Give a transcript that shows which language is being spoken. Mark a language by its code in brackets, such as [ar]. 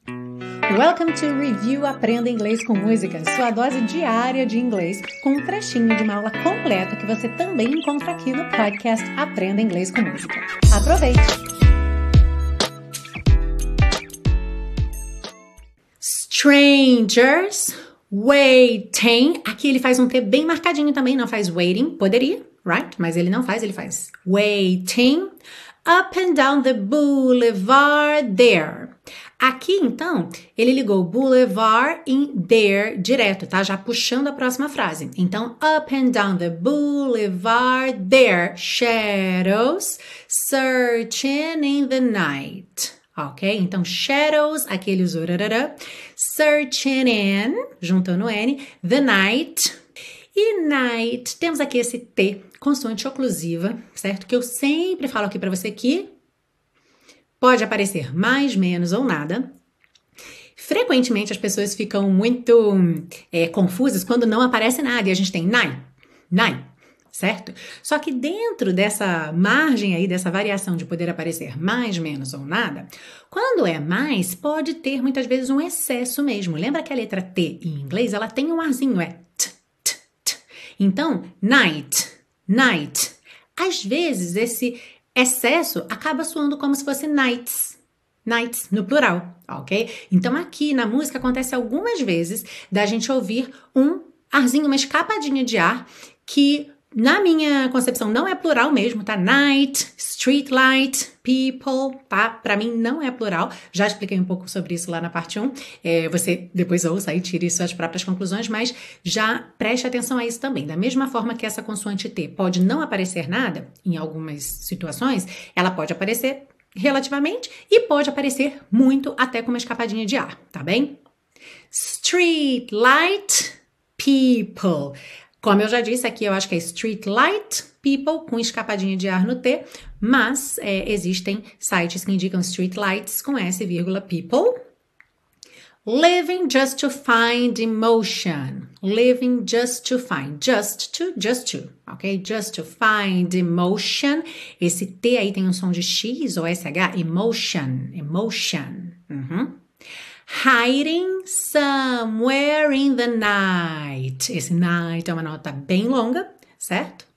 [pt] Welcome to Review Aprenda Inglês com Música, sua dose diária de inglês, com um trechinho de uma aula completa que você também encontra aqui no podcast Aprenda Inglês com Música. Aproveite! [en] Strangers waiting. [pt] Aqui ele faz um T bem marcadinho também, não faz waiting, poderia, right? Mas ele não faz, ele faz waiting. [en] Up and down the boulevard there. [pt] Aqui, então, ele ligou boulevard em there direto, tá? Já puxando a próxima frase. Então, [en] up and down the boulevard there. Shadows searching in the night. Ok? [pt] Então, shadows, aqui ele usou rarara. [en] Searching in, [pt] juntando N, [en] the night. [pt] E night, temos aqui esse T, consoante oclusiva, certo? Que eu sempre falo aqui pra você que pode aparecer mais, menos ou nada. Frequentemente as pessoas ficam muito confusas quando não aparece nada. E a gente tem night, night, certo? Só que dentro dessa margem aí, dessa variação de poder aparecer mais, menos ou nada, quando é mais, pode ter muitas vezes um excesso mesmo. Lembra que a letra T em inglês, ela tem um arzinho, é T, T, T. Então, night, night. Às vezes esse excesso acaba soando como se fosse nights, nights no plural, ok? Então aqui na música acontece algumas vezes da gente ouvir um arzinho, uma escapadinha de ar, que na minha concepção não é plural mesmo, tá? [en] Night, street light, people, [pt] tá? Pra mim não é plural, já expliquei um pouco sobre isso lá na parte 1, você depois ouça e tire suas próprias conclusões, mas já preste atenção a isso também. Da mesma forma que essa consoante T pode não aparecer nada em algumas situações, ela pode aparecer relativamente e pode aparecer muito até com uma escapadinha de ar, tá bem? [en] Street light, people. [pt] Como eu já disse, aqui eu acho que é [en] street light, people, [pt] com escapadinha de ar no T, mas existem sites que indicam [en] street lights [pt] com S, vírgula, people. [en] Living just to find emotion. Living just to find. Just to, ok? Just to find emotion. [pt] Esse T aí tem um som de X ou SH, emotion, emotion. Uhum. [en] Hiding somewhere in the night. [pt] Esse night é uma nota bem longa, certo?